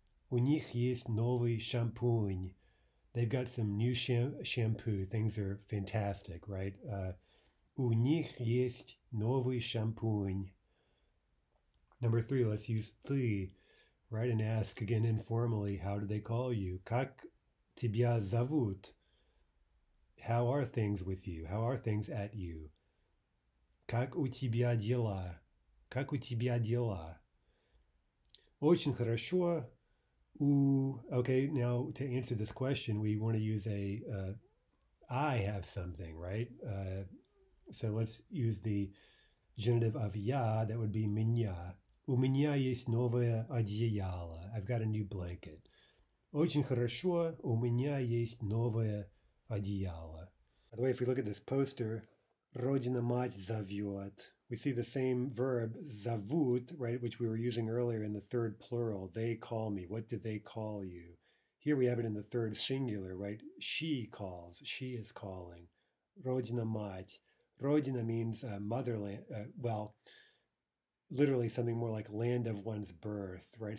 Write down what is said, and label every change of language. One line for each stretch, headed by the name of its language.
Russian: У них есть новый шампунь.
English: They've got some new shampoo. Things are fantastic, right?
Russian: У них есть новый шампунь.
English: Number three, let's use ты. Right, and ask again informally, how do they call you?
Russian: Как тебя зовут?
English: How are things with you? How are things at you?
Russian: Как у тебя дела? Как у тебя дела? Очень хорошо.
English: Okay, now to answer this question, we want to use I have something, right? So let's use the genitive of я, that would be меня.
Russian: У меня есть новое одеяло.
English: I've got a new blanket.
Russian: Очень хорошо. У меня есть новое одеяло.
English: By the way, if we look at this poster,
Russian: Родина мать зовет.
English: We see the same verb, зовут, right, which we were using earlier in the third plural. They call me. What do they call you? Here we have it in the third singular, right? She calls. She is calling.
Russian: Родина мать.
English: Родина means motherland. Literally something more like land of one's birth, right?